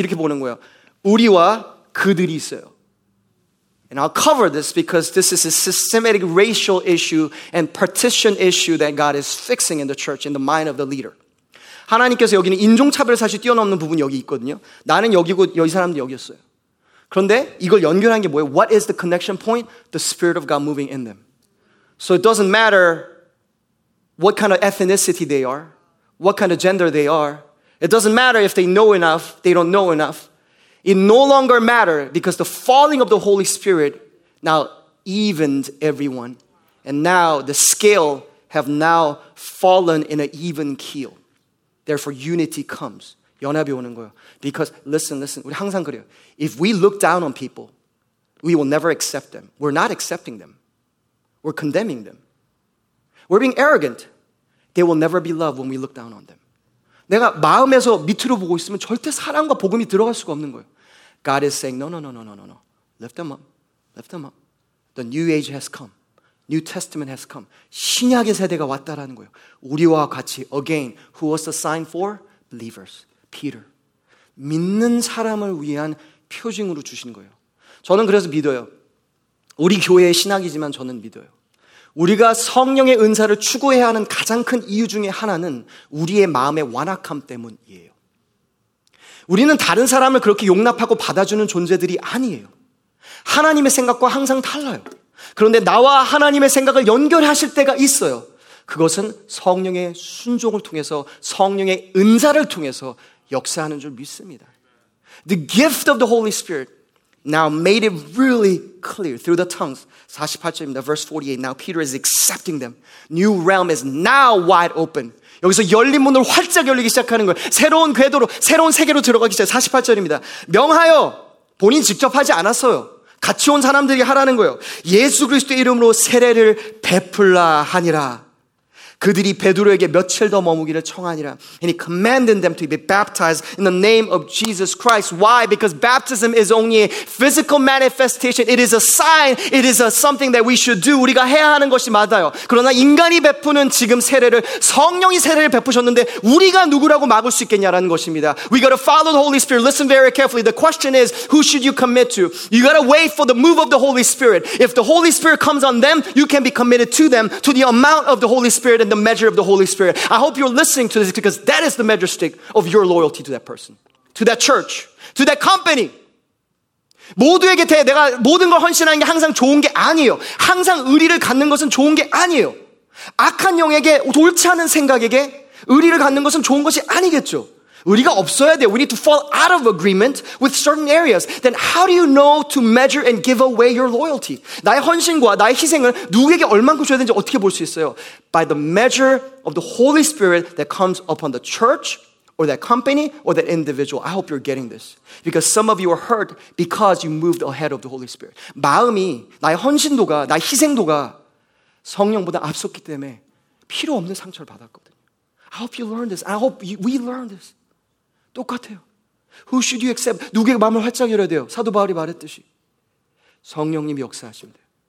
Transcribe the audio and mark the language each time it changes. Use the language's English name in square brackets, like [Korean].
[Korean] 이렇게 보는 거예요 우리와 그들이 있어요 [English] And I'll cover this because this is a systematic racial issue and partition issue that God is fixing in the church in the mind of the leader [Korean] 하나님께서 여기는 인종차별을 사실 뛰어넘는 부분이 여기 있거든요 나는 여기고 여기 사람도 여기였어요 그런데 이걸 연결한 게 뭐예요? [English] What is the connection point? The Spirit of God moving in them. So it doesn't matter what kind of ethnicity they are, what kind of gender they are. It doesn't matter if they know enough, they don't know enough. It no longer matters because the falling of the Holy Spirit now evened everyone. And now the scale have now fallen in an even keel. Therefore unity comes. [Korean] 연합이 오는 거예요. [English] Because, listen, [Korean] 우리 항상 그래요. [English] If we look down on people, we will never accept them. We're not accepting them. We're condemning them. We're being arrogant. They will never be loved when we look down on them. [Korean] 내가 마음에서 밑으로 보고 있으면 절대 사랑과 복음이 들어갈 수가 없는 거예요. [English] God is saying, no. Lift them up. Lift them up. The new age has come. New Testament has come. [Korean] 신약의 세대가 왔다라는 거예요. 우리와 같이, [English] again, who was the sign for? Believers. Peter. [Korean] 믿는 사람을 위한 표징으로 주신 거예요. 저는 그래서 믿어요. 우리 교회의 신학이지만 저는 믿어요. 우리가 성령의 은사를 추구해야 하는 가장 큰 이유 중에 하나는 우리의 마음의 완악함 때문이에요. 우리는 다른 사람을 그렇게 용납하고 받아주는 존재들이 아니에요. 하나님의 생각과 항상 달라요. 그런데 나와 하나님의 생각을 연결하실 때가 있어요. 그것은 성령의 순종을 통해서 성령의 은사를 통해서 역사하는 줄 믿습니다. [English] The gift of the Holy Spirit now made it really clear through the tongues. [Korean] 48절입니다. [English] Verse 48. Now Peter is accepting them. New realm is now wide open. [Korean] 여기서 열린 문을 활짝 열리기 시작하는 거예요. 새로운 궤도로, 새로운 세계로 들어가기 시작해요. 48절입니다. 명하여 본인 직접 하지 않았어요. 같이 온 사람들이 하라는 거예요. 예수 그리스도의 이름으로 세례를 베풀라 하니라. 그들이 베드로에게 며칠 더 머무기를 청하니라. [English] And he commanded them to be baptized in the name of Jesus Christ. Why? Because baptism is only a physical manifestation. It is a sign. It is a something that we should do. [Korean] 우리가 해야 하는 것이 맞아요. 그러나 인간이 베푸는 지금 세례를 성령이 세례를 베푸셨는데 우리가 누구라고 막을 수 있겠냐라는 것입니다. [English] We got to follow the Holy Spirit. Listen very carefully. The question is, who should you commit to? You got to wait for the move of the Holy Spirit. If the Holy Spirit comes on them, you can be committed to them, to the amount of the Holy Spirit. The measure of the Holy Spirit. I hope you're listening to this because that is the measure stick of your loyalty to that person, to that church, to that company. [Korean] 모두에게 대해 내가 모든 걸 헌신하는 게 항상 좋은 게 아니에요. 항상 의리를 갖는 것은 좋은 게 아니에요. 악한 영에게 옳지 않은 생각에게 의리를 갖는 것은 좋은 것이 아니겠죠. 의리가 없어야 돼요. [English] We need to fall out of agreement with certain areas. Then how do you know to measure and give away your loyalty? [Korean] 나의 헌신과 나의 희생을 누구에게 얼만큼 줘야 되는지 어떻게 볼 수 있어요? [English] By the measure of the Holy Spirit that comes upon the church or that company or that individual. I hope you're getting this. Because some of you are hurt because you moved ahead of the Holy Spirit. [Korean] 마음이 나의 헌신도가 나의 희생도가 성령보다 앞섰기 때문에 필요 없는 상처를 받았거든요. [English] I hope you learn this. I hope we learn this. [Korean] 똑같아요. [English] Who should you accept? [Korean] 누구에게 마음을 활짝 열어야 돼요? 사도 바울이 말했듯이. 성령님이 역사하시면 돼요.